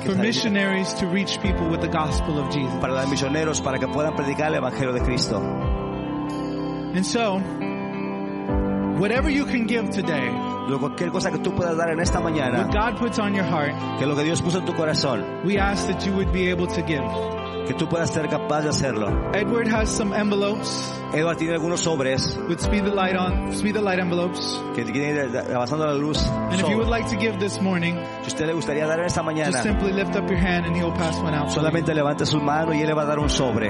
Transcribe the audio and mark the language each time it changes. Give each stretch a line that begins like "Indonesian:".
English: for missionaries to reach people with the gospel of Jesus.
Spanish: Para los misioneros para que puedan predicar el evangelio de Cristo.
English: And so, whatever you can give today.
Spanish: Cualquier cosa que tú puedas dar en esta mañana.
English: What God puts on your heart.
Spanish: Que lo que Dios puso en tu corazón.
English: We ask that you would be able to give.
Spanish: Que tú puedas ser capaz de hacerlo.
English: Edward has some envelopes.
Spanish: Edward tiene algunos sobres.
English: With Speed the Light on, Speed the Light envelopes.
Spanish: Que tiene Avanzando la Luz.
English: And if you would like to give this morning,
Spanish: si usted le gustaría dar esta mañana,
English: just simply lift up your hand and he'll pass one out.
Spanish: Solamente levante su mano y él le va a dar un sobre.